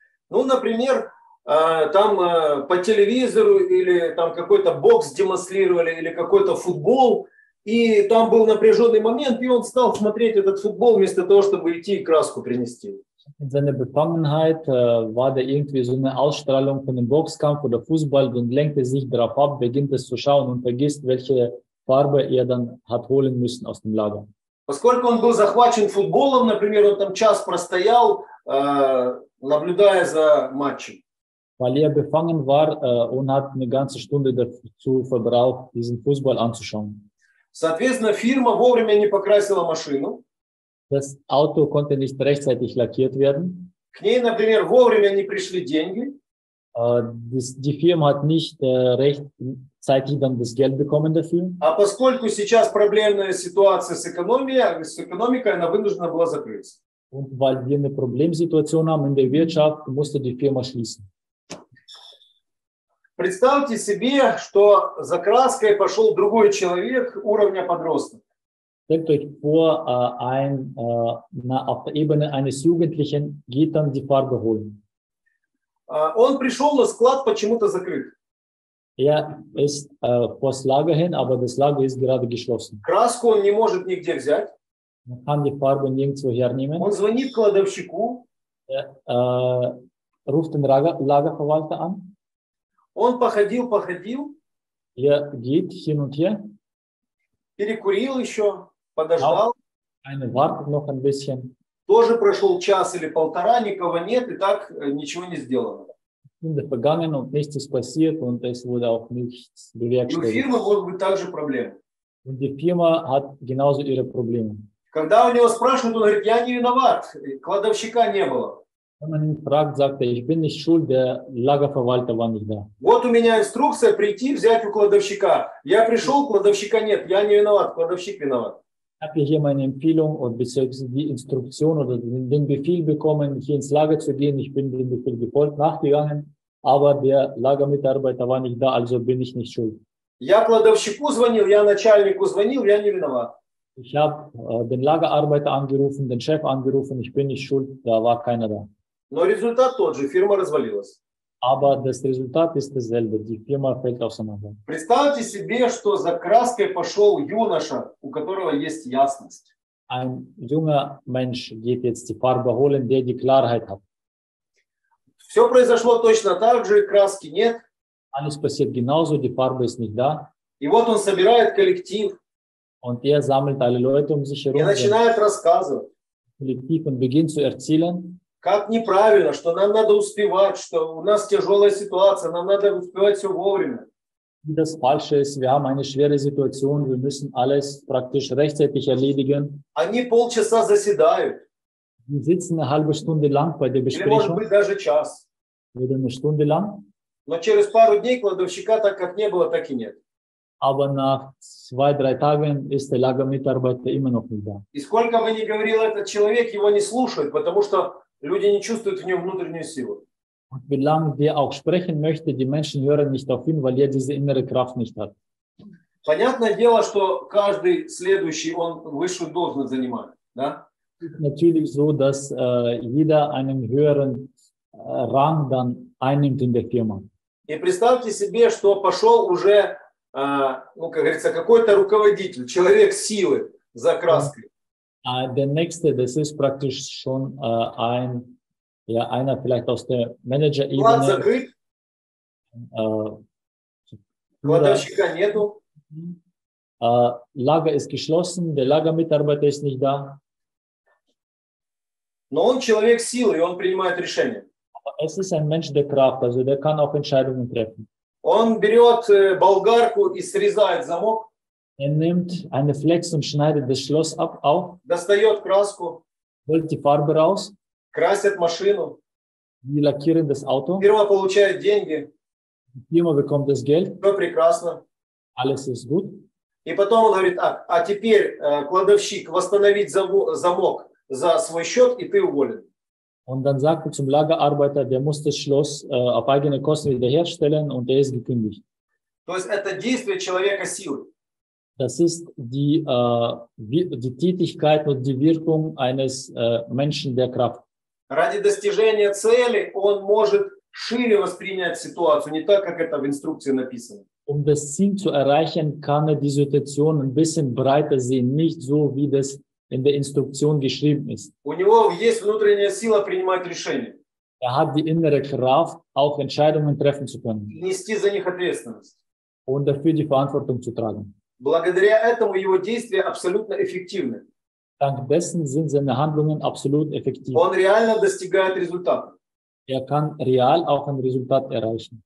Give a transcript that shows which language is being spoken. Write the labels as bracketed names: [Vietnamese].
[Russian] Nun, например, там по телевизору или там какой-то бокс демонстрировали или какой-то футбол, и там был напряженный момент, и он стал смотреть этот футбол вместо того, чтобы идти и краску принести. [German] In seiner Befangenheit war da irgendwie so eine Ausstrahlung von einem Boxkampf oder Fußball und lenkte sich darauf ab, beginnt es zu schauen und vergisst, welche Farbe er dann hat holen müssen aus dem Lager. [Russian] Поскольку он был захвачен футболом, например, он там час простоял, наблюдая за матчем. [German] Weil er befangen war und hat eine ganze Stunde dazu verbraucht, diesen Fußball anzuschauen. [Russian] Соответственно, фирма вовремя не покрасила машину. [German] Das Auto konnte nicht rechtzeitig lackiert werden. [Russian] К ней, например, вовремя не пришли деньги. [German] Die Firma hat nicht rechtzeitig dann das Geld bekommen dafür. [Russian] А поскольку сейчас проблемная ситуация с экономикой, она вынуждена была закрыться. [German] Und weil wir eine Problemsituation haben in der Wirtschaft, musste die Firma schließen. [Russian] Представьте себе, что за краской пошел другой человек уровня подросток. [German] Stellt euch vor, auf Ebene eines Jugendlichen geht dann die Farbe holen. [Russian] Он пришел, но склад почему-то закрыт. [German] Er ist vor's Lager hin, aber das Lager ist gerade geschlossen. [Russian] Краску он не может нигде взять. [German] Man kann die Farbe nirgendwo hernehmen. [Russian] Он звонит кладовщику. [German] Ruft den Lagerverwalter an. [Russian] Он походил. [German] Я geht hin und her. [Russian] Перекурил еще, подождал. [German] Eine wartet noch ein bisschen. [Russian] Тоже прошел час или полтора, никого нет, и так ничего не сделано. [German] In der Vergangenheit nichts passiert und es wurde auch nichts bewerkstelligt. [Russian] И у фирмы могут быть также проблемы. [German] Und die Firma hat genauso ihre Probleme. [Russian] Когда у него спрашивают, он говорит, я не виноват, кладовщика не было. [German] Wenn man ihn fragt, sagt er, ich bin nicht schuld, der Lagerverwalter war nicht da. [Russian] Вот у меня инструкция прийти, взять у кладовщика. Я пришел, кладовщика нет, я не виноват, кладовщик виноват. [German] Habt ihr hier meine Empfehlung und beziehungsweise die Instruktion oder den Befehl bekommen, hier ins Lager zu gehen? Ich bin dem Befehl gefolgt, nachgegangen, aber der Lagermitarbeiter war nicht da, also bin ich nicht schuld. [Russian] Я кладовщику звонил, я начальнику звонил, я не виноват. [German] Ich habe den Lagerarbeiter angerufen, den Chef angerufen, ich bin nicht schuld, da war keiner da. [Russian] Но результат тот же, фирма развалилась. [German] Aber das Resultat ist dasselbe, die Firma fällt auseinander. [Russian] Представьте себе, что за краской пошел юноша, у которого есть ясность. [German] Ein junger Mensch geht jetzt die Farbe holen, der die Klarheit hat. [Russian] Все произошло точно так же, краски нет. [German] Alles passiert genauso, die Farbe ist nicht da. [Russian] И вот он собирает коллектив. [German] Und sammelt alle Leute um sich herum. [Russian] И начинает рассказывать. Коллектив [German] und beginnt zu erzählen. [Russian] Как неправильно, что нам надо успевать, что у нас тяжелая ситуация, нам надо успевать все вовремя. [German] И das Falsche ist, wir haben eine schwere Situation, wir müssen alles praktisch rechtzeitig erledigen. [Russian] Они полчаса заседают. [German] Wir sitzen eine halbe Stunde lang bei der Besprechung. [Russian] Или, может быть, даже час. [German] Oder eine Stunde lang. [Russian] Но через пару дней кладовщика так как не было, так и нет. [German] Aber nach 2-3 Tagen ist der Lagermitarbeiter immer noch nicht da. [Russian] И сколько бы ни говорил этот человек, его не слушают, потому что люди не чувствуют в нем внутреннюю силу. [German] Und wie lange wir auch sprechen möchte, die Menschen hören nicht auf ihn, weil er diese innere Kraft nicht hat. [Russian] Понятное дело, что каждый следующий, он высшую должность занимает, да? [German] Natürlich so, dass jeder einen höheren Rang dann einnimmt in der Firma. [Russian] И представьте себе, что пошел уже, как говорится, какой-то руководитель, человек силы за краской. [German] Der nächste, das ist praktisch schon einer vielleicht aus der Manager-Ebene. Klar, [Russian] закрыт. Кладовщика нету. [German] Lager ist geschlossen, der Lagermitarbeiter ist nicht da. [Russian] Но он человек силы, он принимает решения. [German] Es ist ein Mensch der Kraft, also der kann auch Entscheidungen treffen. [Russian] Он берет болгарку и срезает замок. [German] Er nimmt eine Flex und schneidet das Schloss ab, auf. [Russian] Достает краску. [German] Holt die Farbe raus. [Russian] Красит машину. [German] Die lackieren das Auto. Firma [Russian] получает деньги. [German] Die Firma bekommt das Geld. [Russian] Все прекрасно. [German] Alles ist gut. [Russian] И потом он говорит, а теперь кладовщик восстановить замок за свой счет, и ты уволен. [German] Und dann sagt er zum Lagerarbeiter, der muss das Schloss auf eigene Kosten wiederherstellen und er ist gekündigt. [Russian] То есть это действие человека силы. [German] Das ist die Tätigkeit und die Wirkung eines Menschen der Kraft. [Russian] Ради достижения цели он может шире воспринять ситуацию, не так, как это в инструкции написано. [German] Um das Ziel zu erreichen, kann er die Situation ein bisschen breiter sehen, nicht so, wie das in der Instruktion geschrieben ist. [Russian] У него есть внутренняя сила принимать решения. [German] Er hat die innere Kraft, auch Entscheidungen treffen zu können. [Russian] Нести за них ответственность. [German] Und dafür die Verantwortung zu tragen. [Russian] Благодаря этому его действия абсолютно эффективны. [German] Dank dessen sind seine Handlungen absolut effektiv. [Russian] Он реально достигает результата. [German] Kann real auch ein Resultat erreichen.